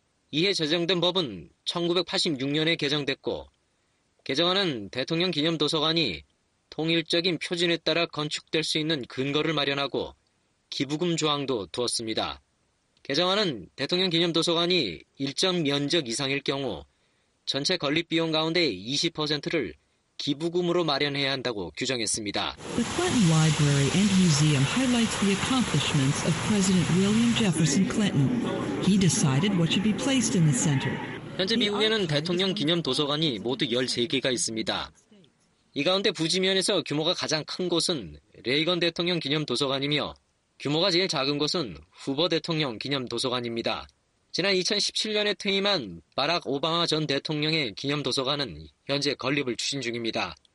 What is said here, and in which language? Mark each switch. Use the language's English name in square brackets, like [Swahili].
[Korean] 이에 제정된 법은 1986년에 개정됐고 개정안은 대통령 기념 도서관이 통일적인 표준에 따라 건축될 수 있는 근거를 마련하고 기부금 조항도 두었습니다. 개정안은 대통령 기념도서관이 일정 면적 이상일 경우 전체 건립비용 가운데 20%를 기부금으로 마련해야 한다고 규정했습니다. [English] The Clinton Library and Museum highlights the accomplishments of President William Jefferson Clinton. He decided what should be placed in the center. [Korean] 현재 미국에는 대통령 기념도서관이 모두 13개가 있습니다. 이 가운데 부지면에서 규모가 가장 큰 곳은 레이건 대통령 기념도서관이며 규모가 제일 작은 곳은 후보 대통령 기념도서관입니다. 지난 2017년에 퇴임한 바락 오바마 전 대통령의 기념도서관은 현재 건립을 추진 중입니다.